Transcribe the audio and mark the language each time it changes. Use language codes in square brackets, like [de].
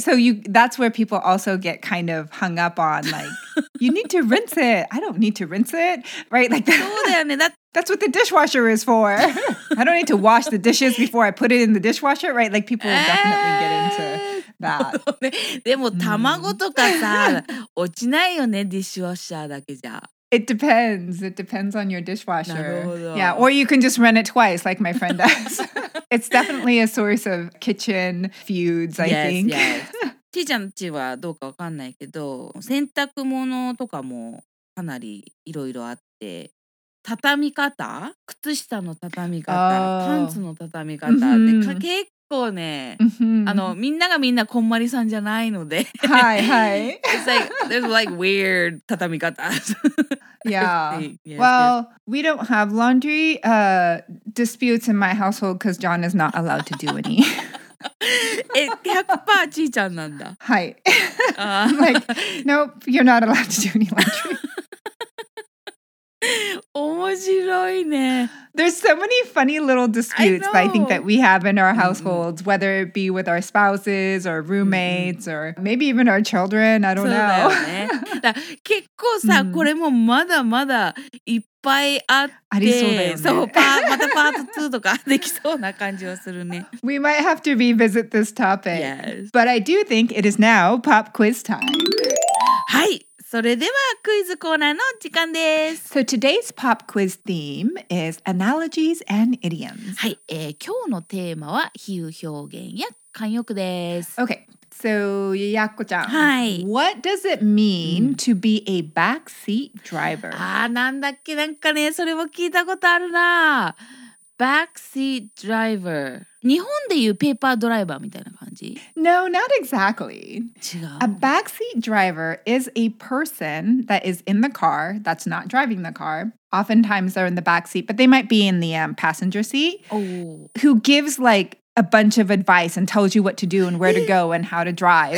[en] So that's where people also get kind of hung up on like, you need to rinse it. I don't need to rinse it. Right? Like that's what the dishwasher is for. I don't need to wash the dishes before I put it in the dishwasher. Right? Like people will definitely get into that. [ja] でも卵とかさ、落ちないよね、ディッシュワッシャーだけじゃ。 [en] It depends. It depends on your dishwasher. Yeah, or you can just run it twice, like my friend does. It's definitely a source of kitchen feuds, I think. Yes, yes. [ja] T ちゃんちはどうかわかんないけど、洗濯物とかもかなりいろいろあって、畳み方、靴下の畳み方、パンツの畳み方、結構ね、みんながみんなこんまりさんじゃないので。はいはい。 [en] It's like, there's like weird 畳み方。 Yeah. Yes, well, yes. We don't have laundry disputes in my household because John is not allowed to do any. It's 100% Chi-chan [ja] nan da. [en] Hi. I'm like, nope, you're not allowed to do any laundry. [ja] 面白いね。 [en] There's so many funny little disputes that I think that we have in our households, whether it be with our spouses or roommates or maybe even our children. I don't know. [ja] だよね。結構さ、これもまだまだいっぱいあって、ありそうだよね。そう、またパート2とかできそうな感じはするね。 [en] We might have to revisit this topic. Yes. But I do think it is now pop quiz time. [ja] はい。それではクイズコーナーの時間です。 [en] So today's pop quiz theme is analogies and idioms. [ja] はい、今日のテーマは比喩表現や慣用句です。 [en] Okay, so やっこちゃん。 [ja] はい。 [en] What does it mean to be a backseat driver? [ja] ああ、なんだっけ、なんかね、それも聞いたことあるな。 [en] Backseat driver. [ja] 日本で言うペーパードライバーみたいな感じ? [en] No, not exactly. [ja] 違う。 [en] A backseat driver is a person that is in the car, that's not driving the car. Oftentimes they're in the backseat, but they might be in the passenger seat. Oh. Who gives like a bunch of advice and tells you what to do and where to go and how to drive.